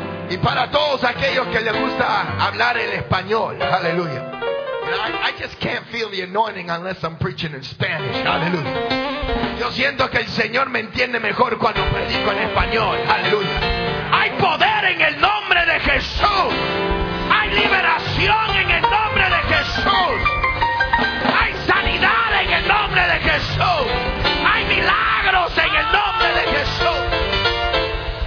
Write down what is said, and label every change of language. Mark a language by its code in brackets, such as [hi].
[es] Y para todos aquellos que les gusta hablar el español. [en] Hallelujah. I just can't feel the anointing unless I'm preaching in Spanish. Hallelujah. [es] Yo siento que el Señor me entiende mejor cuando predico en español. Hallelujah. Hay poder en el nombre de Jesús. Hay liberación en el nombre de Jesús. Hay sanidad en el nombre de Jesús. Hay milagros en el nombre de Jesús.